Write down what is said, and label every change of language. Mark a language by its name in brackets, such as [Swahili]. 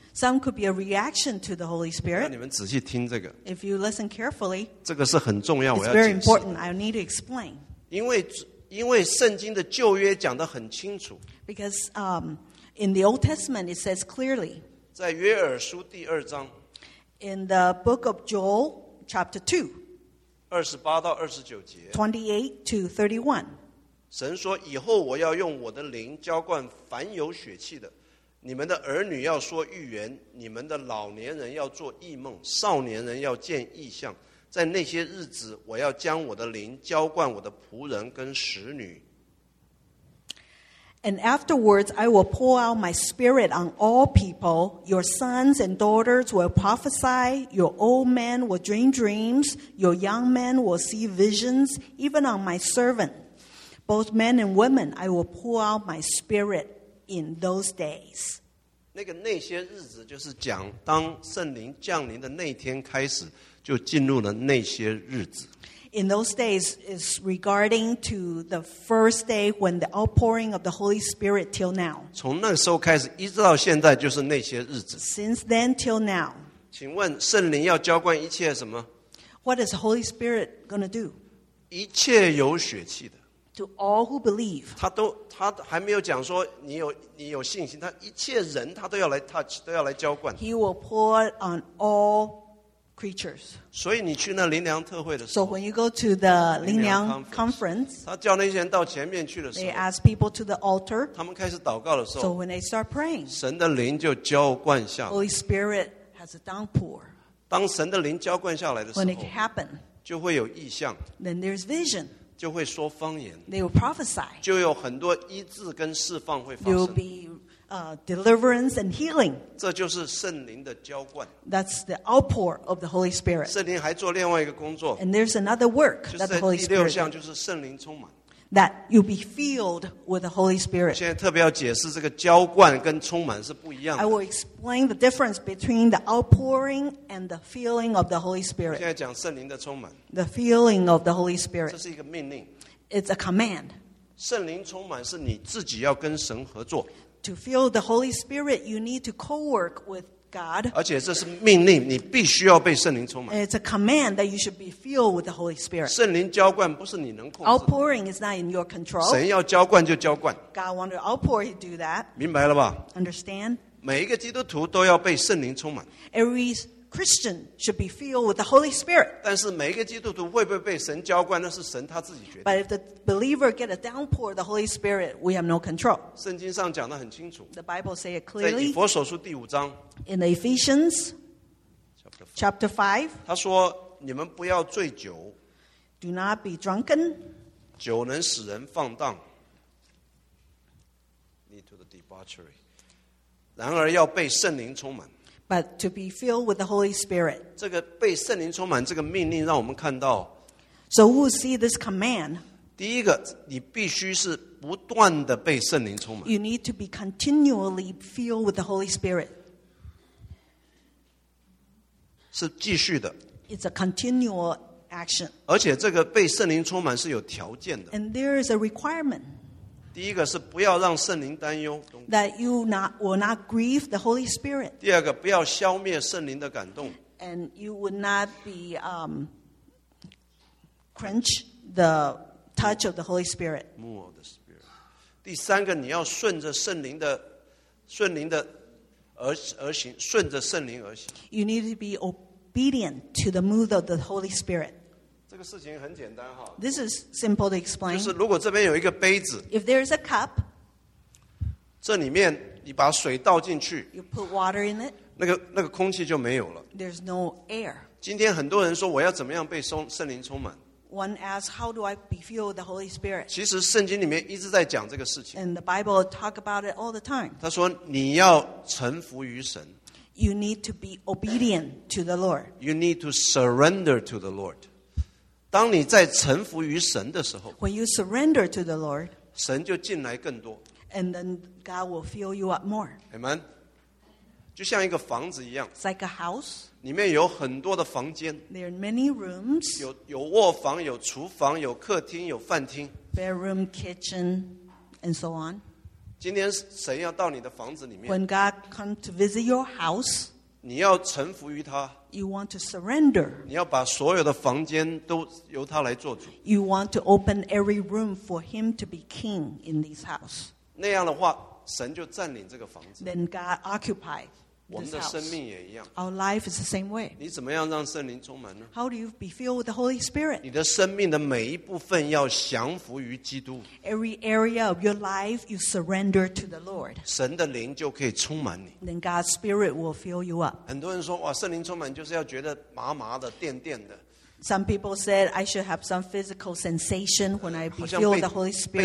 [English] Some could be a reaction to the Holy Spirit [Chinese] 你们仔细听这个 [English] If you listen carefully [Chinese] 这个是很重要 [English] It's very important I need to explain [Chinese] 因为圣经的旧约讲得很清楚 [English] Because in the Old Testament it says clearly [Chinese] 在约珥书第二章 [English] In the book of Joel, chapter 2 [Chinese] 28到29节 [English] 28 to 31 [Chinese] 神说以后我要用我的灵浇灌凡有血气的你们的儿女要说预言你们的老年人要做异梦少年人要见异象在那些日子我要将我的灵浇灌我的仆人跟使女 [English] And afterwards, I will pour out my spirit on all people. Your sons and daughters will prophesy. Your old men will dream dreams. Your young men will see visions, even on my servant. Both men and women, I will pour out my spirit in those days. [Chinese] 那些日子就是讲当圣灵降临的那天开始就进入了那些日子。 [English] In those days is regarding to the first day when the outpouring of the Holy Spirit till now. [Chinese] 从那时候开始一直到现在就是那些日子。 [English] Since then till now. [Chinese] 请问圣灵要浇灌一切什么? [English] What is the Holy Spirit going to do? [Chinese] 一切有血气的。 [English] To all who believe. [Chinese] 他还没有讲说你有信心他一切人他都要来 touch, 都要来浇灌。 [English] He will pour on all creatures. [Chinese] 所以你去那灵粮特会的时候 [English] So when you go to the 灵粮 conference, [Chinese] 他叫那些人到前面去的时候 [English] They ask people to the altar. [Chinese] 他们开始祷告的时候 [English] So when they start praying, [Chinese] 神的灵就浇灌下来 [English] Holy Spirit has a downpour. [Chinese] 当神的灵浇灌下来的时候 [English] When it happens, [Chinese] 就会有异象 [English] Then there's vision. [Chinese] 就会说方言 [English] They will prophesy. [Chinese] 就有很多医治跟释放会发生 [English] There will be deliverance and healing. [Chinese] 这就是圣灵的浇灌。 [English] That's the outpour of the Holy Spirit. [Chinese] 圣灵还做另外一个工作。 [English] And there's another work that the Holy Spirit. [Chinese] 第六项就是圣灵充满。 [English] That you be filled with the Holy Spirit. [Chinese] 现在特别要解释这个浇灌跟充满是不一样的。 [English] I will explain the difference between the outpouring and the filling of the Holy Spirit. [Chinese] 现在讲圣灵的充满。 [English] The filling of the Holy Spirit. [Chinese] 这是一个命令。 [English] It's a command. [Chinese] 圣灵充满是你自己要跟神合作。 [English] to feel the Holy Spirit, you need to co-work with God. [Chinese] 而且这是命令，你必须要被圣灵充满。 [English] It's a command that you should be filled with the Holy Spirit. [Chinese] 圣灵浇灌不是你能控制。 [English] Outpouring is not in your control. [Chinese] 神要浇灌就浇灌。 [English] God wanted to outpour, He'd do that. [Chinese] 明白了吧？ [English] Understand? [Chinese] 每一个基督徒都要被圣灵充满。 [English] Every Christian should be filled with the Holy Spirit. [Chinese] 但是每一个基督徒会不会被神浇灌，那是神他自己决定。 [English] But if the believer get a downpour of the Holy Spirit, we have no control. [Chinese] 圣经上讲得很清楚。 [English] The Bible say it clearly. [Chinese] 在以弗所书第五章。 [English] In the Ephesians, chapter 5. [Chinese] 他说，你们不要醉酒。 [English] Do not be drunken. [Chinese] 酒能使人放荡。 [English] Lead to the debauchery. [Chinese] 然而要被圣灵充满。 [English] But to be filled with the Holy Spirit. [Chinese] 这个被圣灵充满这个命令让我们看到。 [English] So we'll see this command. [Chinese] 第一个，你必须是不断地被圣灵充满。 [English] You need to be continually filled with the Holy Spirit. [Chinese] 是继续的。 [English] It's a continual action. [Chinese] 而且这个被圣灵充满是有条件的。 [English] And there is a requirement. [Chinese] 第一个是不要让圣灵担忧。 [English] That you not, will not grieve the Holy Spirit. [Chinese] 第二个不要消灭圣灵的感动。 [English] And you would not be, quench the touch of the Holy Spirit. Move of the Spirit. [Chinese] 第三个你要顺着圣灵的，顺灵的而行，顺着圣灵而行。 [English] You need to be obedient to the move of the Holy Spirit. [Chinese] 这个事情很简单哈。 [English] This is simple to explain. [Chinese] 就是如果这边有一个杯子。 [English] If there is a cup. [Chinese] 这里面你把水倒进去。 [English] You put water in it. [Chinese] 那个空气就没有了。 [English] There's no air. [Chinese] 今天很多人说我要怎么样被圣灵充满。 [English] One asks, how do I be filled with the Holy Spirit? [Chinese] 其实圣经里面一直在讲这个事情。 [English] And the Bible talk about it all the time. [Chinese] 他说你要臣服于神。 [English] You need to be obedient to the Lord. You need to surrender to the Lord. [Chinese] 当你在臣服于神的时候 [English] When you surrender to the Lord, [Chinese] 神就进来更多 [English] And then God will fill you up more. [Chinese] Amen. 就像一个房子一样 [English] It's like a house. [Chinese] 里面有很多的房间 [English] There are many rooms. [Chinese] 有卧房有厨房有客厅有饭厅 [English] Bedroom, kitchen, and so on. [Chinese] 今天神要到你的房子里面 [English] When God comes to visit your house, [Chinese] 你要臣服于他 [English] You want to surrender. [Chinese] 你要把所有的房间都由他来做主。 [English] You want to open every room for him to be king in this house. [Chinese] 那样的话，神就占领这个房子。 [English] Then God occupy this house. [Chinese] 我们的生命也一样。 [English] Our life is the same way. [Chinese] 你怎么样让圣灵充满呢？ [English] How do you be filled with the Holy Spirit? [Chinese] 你的生命的每一部分要降服于基督。 [English] Every area of your life, you surrender to the Lord. [Chinese] 神的灵就可以充满你。 [English] Then God's Spirit will fill you up. [Chinese] 很多人说，哇，圣灵充满就是要觉得麻麻的、电电的。 [English] Some people said I should have some physical sensation when I be filled with the Holy Spirit.